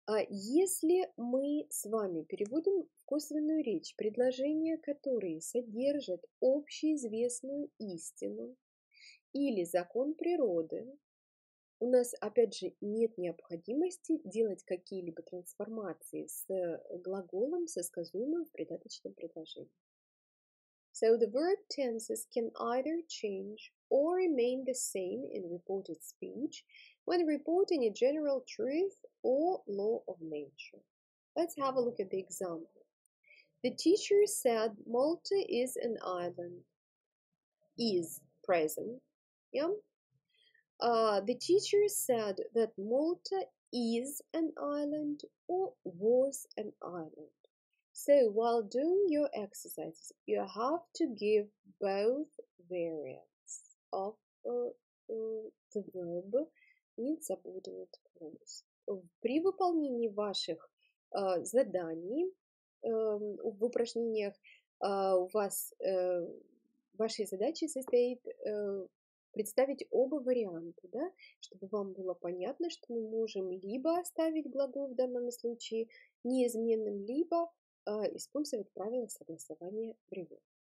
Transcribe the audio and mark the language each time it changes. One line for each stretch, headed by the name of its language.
Russian: Если мы с вами переводим в косвенную речь предложения, которые содержат общеизвестную истину или закон природы, у нас, опять же, нет необходимости делать какие-либо трансформации с глаголом, со сказуемым в придаточном предложении.
English: So the verb tenses can either change or remain the same in reported speech when reporting a general truth or law of nature. Let's have a look at the example. The teacher said Malta is an island. Is present. Yeah? The teacher said that Malta is an island or was an island. So, while doing your exercises, you have to give both variants of the verb in subordinate clause.
Russian: При выполнении ваших заданий, в упражнениях, у вас вашей задачей состоит представить оба варианта, да, чтобы вам было понятно, что мы можем либо оставить глагол в данном случае неизменным, либо использовать правила согласования времен.